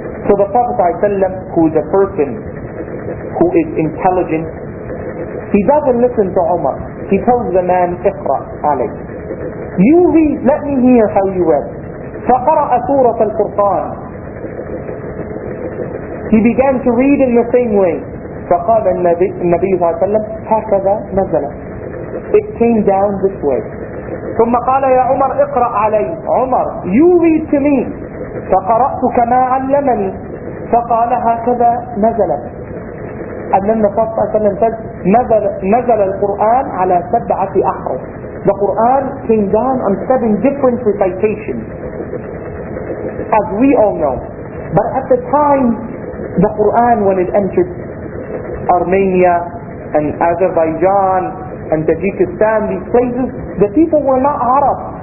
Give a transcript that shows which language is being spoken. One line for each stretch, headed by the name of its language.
English: So the Prophet ﷺ, who is a person who is intelligent, he doesn't listen to Umar. He tells the man,
Arabic: اقرأ عليك.
English: You read, let me hear how you read.
Arabic: فقرأ سورة القرآن.
English: He began to read in the same way.
Arabic: فقال النبي صلى الله عليه وسلم هكذا نزل.
English: It came down this way.
Arabic: ثم قال يا عمر اقرأ علي.
English: عمر, you read to me.
Arabic: فقرأت كما علمني. فقال هكذا نزل.
English: And then the Prophet صلى الله عليه وسلم said,
Arabic: نزل القرآن على سبعة أحرف.
English: The Quran came down on seven different recitations, as we all know. But at the time, the Quran, when it entered Armenia and Azerbaijan and Tajikistan, these places, the people were not Arab.